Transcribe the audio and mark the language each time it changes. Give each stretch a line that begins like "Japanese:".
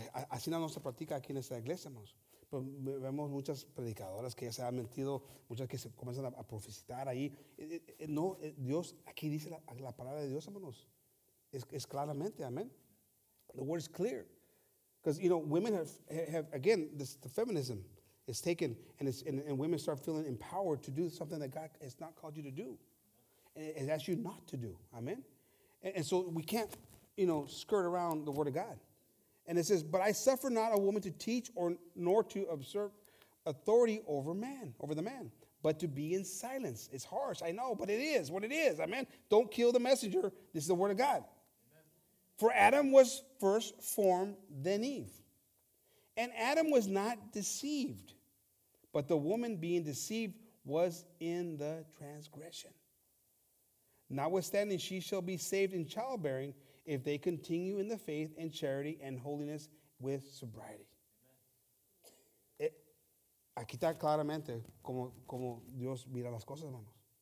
Spanish: Así no se practica aquí en esta iglesia, hermanos. Pero vemos muchas predicadoras que ya se han mentido, muchas que se comienzan a profetizar ahí. No, Dios, aquí dice la palabra de Dios, hermanos. Es claramente, amén.
English: The word is clear. Because, you know, women have again, the feminism is taken, and women start feeling empowered to do something that God has not called you to do. And it asks you not to do, amen. And so we can't, you know, skirt around the word of God. And it says, but I suffer not a woman to teach or nor to usurp authority over the man, but to be in silence. It's harsh, I know, but it is what it is. Amen. Don't kill the messenger. This is the word of God. Amen. For Adam was first formed, then Eve. And Adam was not deceived, but the woman being deceived was in the transgression. Notwithstanding, she shall be saved in childbearing, if they continue in the faith and charity and holiness with sobriety.
Spanish: Aquí está claramente como Dios mira las cosas, hermanos.